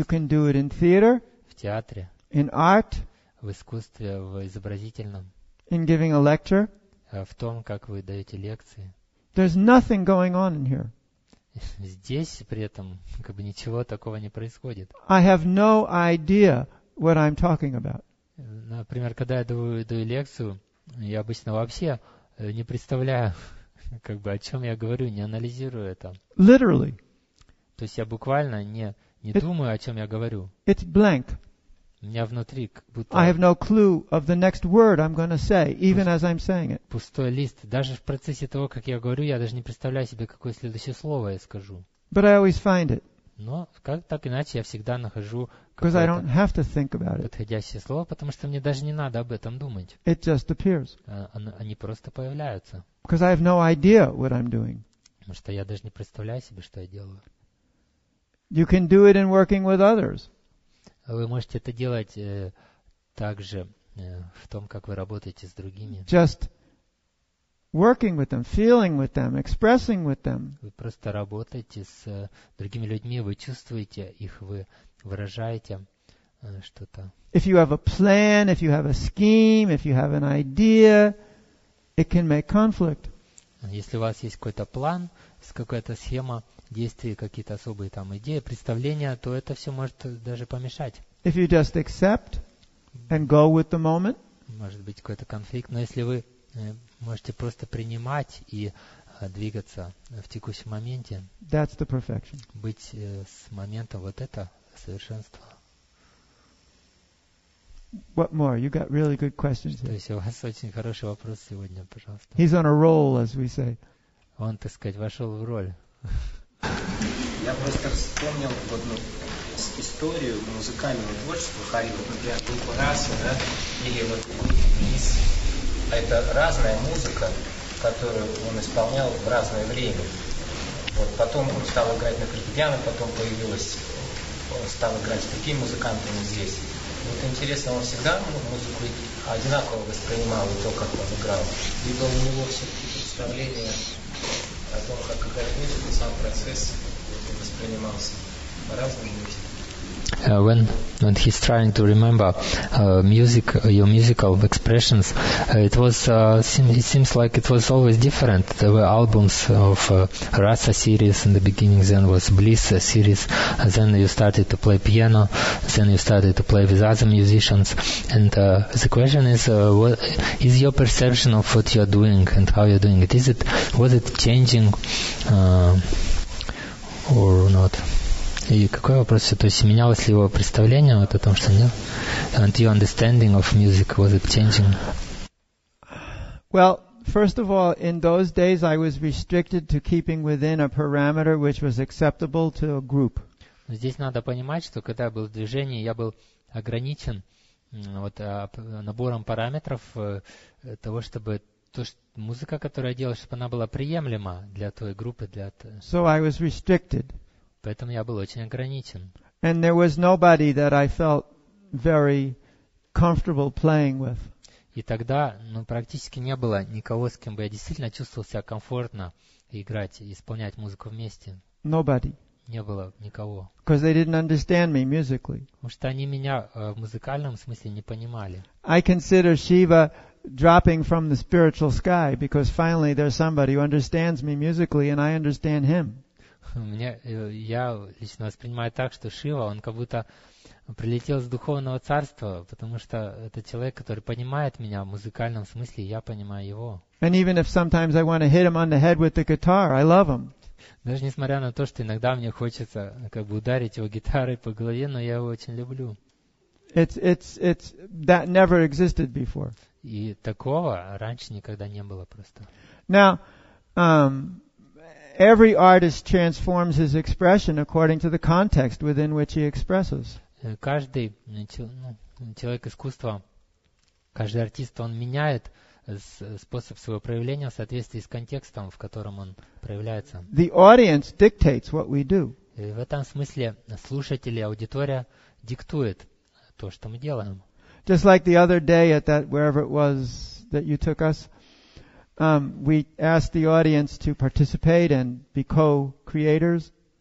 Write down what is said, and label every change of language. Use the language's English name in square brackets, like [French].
[English] You can do it in theater. [Russian] В театре. [English] In art. [Russian] В искусстве, в изобразительном. [English] In giving a lecture. [Russian] В том, как вы даете лекции. [English] There's nothing going on in here. [Russian] Здесь при этом как бы ничего такого не происходит. [English] I have no idea what I'm talking about. [Russian] Например, когда я даю лекцию, я обычно вообще не представляю, как бы, о чем я говорю, не анализирую это. [English] Literally. [Russian] То есть я буквально не думаю, о чем я говорю. [English] It's blank. [Russian] У меня внутри как будто... [English] I have no clue of the next word I'm going to say, even as I'm saying it. [Russian] Пустой лист. Даже в процессе того, как я говорю, я даже не представляю себе, какое следующее слово я скажу. [English] But I always find it. [Russian] Но как так иначе я всегда нахожу подходящее слово, потому что мне даже не надо об этом думать. [English] It just appears. [Russian] Они просто появляются. [English] Because I have no idea what I'm doing. [Russian] Потому что я даже не представляю себе, что я делаю. [English] You can do it in working with others. [Russian] Вы можете это делать также в том, как вы работаете с другими. [English] Just working with them, feeling with them, expressing with them. [Russian] Вы просто работаете с другими людьми, вы чувствуете их, вы выражаете что-то. [English] If you have a plan, if you have a scheme, if you have an idea, it can make conflict. [Russian] Если у вас есть какой-то план, какая-то схема действий, какие-то особые там идеи, представления, то это все может даже помешать. [English] If you just accept and go with the moment. [Russian] Может быть какой-то конфликт, но если вы можете просто принимать и двигаться в текущем моменте. [English] That's the perfection. [Russian] Быть с моментом, вот это совершенство. [English] What more? You got really good questions. [Russian] То есть у вас очень хороший вопрос сегодня, пожалуйста. [English] He's on a roll, as we say. [Russian] Он, так сказать, вошел в роль. Я просто вспомнил одну историю музыкального творчества Хари. Вот, например, группа Раса, да, или вот Лиз. Это разная музыка, которую он исполнял в разное время. Вот потом он стал играть на фортепиано, потом появилось, стал играть с другими музыкантами здесь. Вот интересно, он всегда музыку одинаково воспринимал, и то, как он играл? Либо у него все-таки представление о том, как играть музыку, сам процесс воспринимался по-разному? [English] When he's trying to remember music, your musical expressions, it seems like it was always different. There were albums of Rasa series in the beginning, then was Bliss series, then you started to play piano, then you started to play with other musicians. And the question is, what is your perception of what you're doing and how you're doing it? Was it changing or not? [Russian] И какой вопрос? То есть менялось ли его представление вот о том, что нет? [English] And your understanding of music, was it changing? Well, first of all, in those days I was restricted to keeping within a parameter which was acceptable to a group. [Russian] Здесь надо понимать, что когда я был в движении, я был ограничен вот набором параметров того, чтобы то, что музыка, которую я делал, чтобы она была приемлема для той группы, для... [English] So I was restricted. [Russian] Поэтому я был очень ограничен. [English] And there was nobody that I felt very comfortable playing with. [Russian] И тогда, ну, практически не было никого, с кем бы я действительно чувствовал себя комфортно играть и исполнять музыку вместе. [English] Nobody. [Russian] Не было никого. [English] Because they didn't understand me musically. [Russian] Потому что они меня в музыкальном смысле не понимали. [English] I consider Shiva dropping from the spiritual sky because finally there's somebody who understands me musically and I understand him. [Russian] Я лично воспринимаю так, что Шива, он как будто прилетел с духовного царства, потому что это человек, который понимает меня в музыкальном смысле, и я понимаю его. [English] And even if sometimes I want to hit him on the head with the guitar, I love him. [Russian] Даже несмотря на то, что иногда мне хочется как бы ударить его гитарой по голове, но я его очень люблю. [English] It's that never existed before. [Russian] И такого раньше никогда не было просто. [English] Now, every artist transforms his expression according to the context within which he expresses. [Russian] Каждый человек искусства, каждый артист, он меняет способ своего проявления в соответствии с контекстом, в котором он проявляется. [English] The audience dictates what we do. [Russian] И в этом смысле слушатели, аудитория диктует то, что мы делаем. [English] Just like the other day at that wherever it was that you took us, we asked the audience to participate and be co-creators.